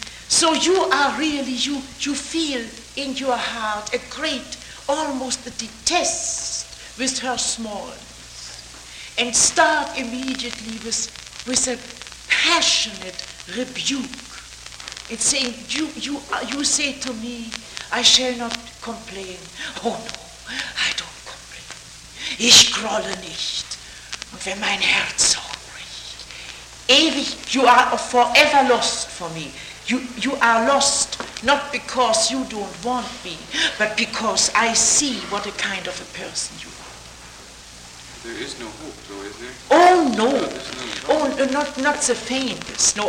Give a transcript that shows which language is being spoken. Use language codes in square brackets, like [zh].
[en] So you are really, you feel in your heart a great, almost a detest with her smallness, and start immediately with a passionate rebuke. It's saying, you say to me, I shall not complain. Oh no, I don't complain. [de] Ich grolle nicht, wenn mein Herz so bricht. [en] Ewig, you are forever lost for me. You are lost, not because you don't want me, but because I see what a kind of a person you are. There is no hope, though, is there? Oh, no. Not the faintest, no.